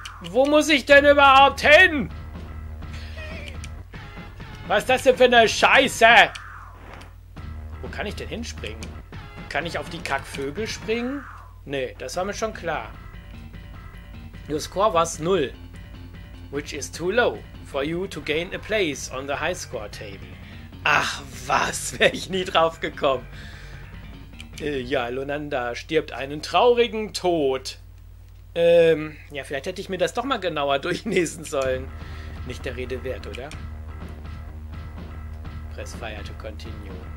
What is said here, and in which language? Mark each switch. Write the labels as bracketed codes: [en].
[de] Wo muss ich denn überhaupt hin? Was ist das denn für eine Scheiße? Wo kann ich denn hinspringen? Kann ich auf die Kackvögel springen? Nee, das war mir schon klar. [en] Your score was 0. Which is too low. For you to gain a place on the high score table. [de] Ach was, wäre ich nie drauf gekommen. Ja, Yolanda stirbt einen traurigen Tod. Ja, vielleicht hätte ich mir das doch mal genauer durchlesen sollen. Nicht der Rede wert, oder? [en] Press Fire to continue.